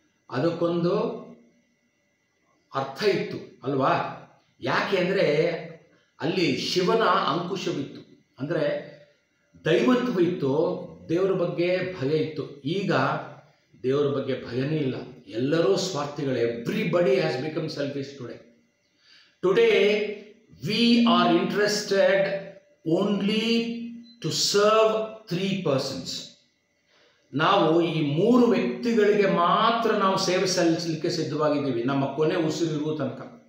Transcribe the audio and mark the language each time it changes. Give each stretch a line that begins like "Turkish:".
Kannada: ಅದಕ್ಕೊಂದು ಅರ್ಥ ಇತ್ತು ಅಲ್ವಾ? ಯಾಕೆ ಅಂದರೆ ಅಲ್ಲಿ ಶಿವನ ಅಂಕುಶವಿತ್ತು, ಅಂದರೆ ದೈವತ್ವ ಇತ್ತು, ದೇವರ ಬಗ್ಗೆ ಭಯ ಇತ್ತು. ಈಗ ದೇವರ ಬಗ್ಗೆ ಭಯನೇ ಇಲ್ಲ, ಎಲ್ಲರೂ ಸ್ವಾರ್ಥಿಗಳೇ.
English: Everybody has become selfish today. Today, we are interested only to serve three persons.
Kannada: ನಾವು ಈ ಮೂರು ವ್ಯಕ್ತಿಗಳಿಗೆ ಮಾತ್ರ ನಾವು ಸೇವೆ ಸಲ್ಲಿಸಲಿಕ್ಕೆ ಸಿದ್ಧವಾಗಿದ್ದೀವಿ, ನಮ್ಮ ಕೊನೆ ಉಸಿರಿರುವ ತನಕ.